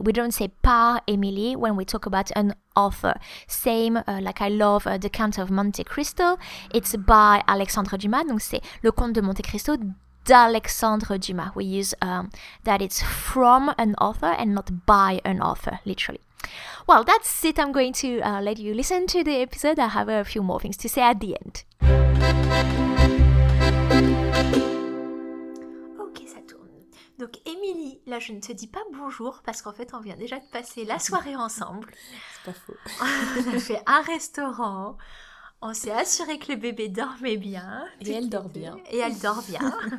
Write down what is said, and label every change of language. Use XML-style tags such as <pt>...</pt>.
<en>We don't say par Emily when we talk about an author. Same, like I love The Count of Monte Cristo. It's by Alexandre Dumas.</en> <fr>Donc c'est Le Comte de Monte Cristo d'Alexandre Dumas.</fr> <en>We use that it's from an author and not by an author, literally. Well, that's it. I'm going to let you listen to the episode. I have a few more things to say at the end.</en> <fr>Donc, Émilie, là, je ne te dis pas bonjour parce qu'en fait, on vient déjà de passer la soirée ensemble. C'est pas faux. On a fait un restaurant, on s'est assuré que le bébé dormait bien. Et elle dort bien. Et elle dort bien.</fr>